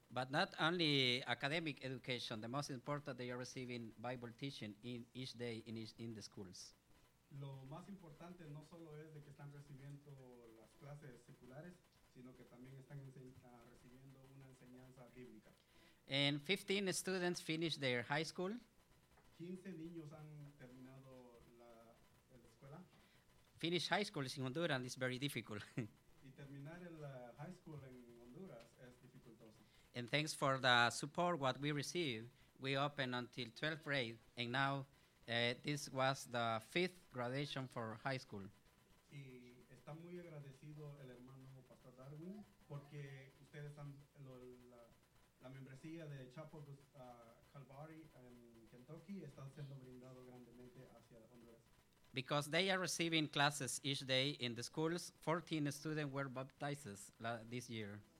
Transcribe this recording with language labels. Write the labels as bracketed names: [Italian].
[English] But not only academic education, the most important, they are receiving Bible teaching in each day in each in the schools. [Spanish] Lo más importante no solo es de que están recibiendo las clases seculares, sino que también están recibiendo una enseñanza bíblica. [English] And 15 students finished their high school. [Spanish] 15 niños han terminado la escuela. [English] Finish high school in Honduras is very difficult. [Spanish] Y terminar el high school en Honduras es dificultoso. [English] And thanks for the support what we received, we opened until 12th grade, and now this was the fifth graduation for high school. [Spanish] Y está muy agradecido el hermano Pastor Darwin, porque ustedes han la membresía de Chapo Calvary en Kentucky está siendo brindado grandemente hacia Honduras. [English] Because they are receiving classes each day in the schools, 14 students were baptized this year.